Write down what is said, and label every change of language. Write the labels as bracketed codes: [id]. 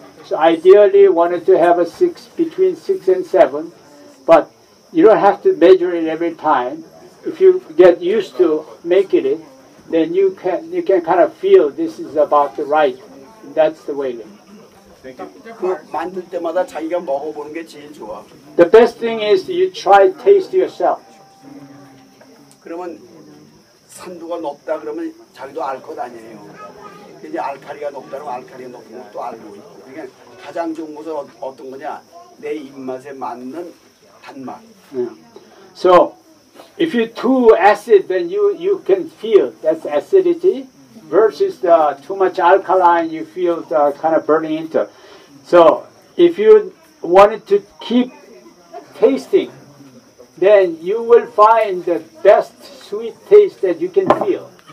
[en] So ideally, wanted to have a six between 6 and 7, but you don't have to measure it every time. If you get used to making it, then you can kind of feel this is about the right. That's the way. Thank you. The best thing is you try taste yourself. [ko] 그러면 산도가 높다 그러면 자기도 알 것 아니에요. 이제 알칼리가 높다면 알칼리가 높은 것도 알고 있고. 그러니까 가장 좋은 것은 어떤 거냐? 내 입맛에 맞는 단맛. [en] So if you're too acid, then you can feel that's acidity. Versus the too much alkaline, you feel the kind of burning into. So if you wanted to keep tasting, then you will find the best sweet taste that you can feel.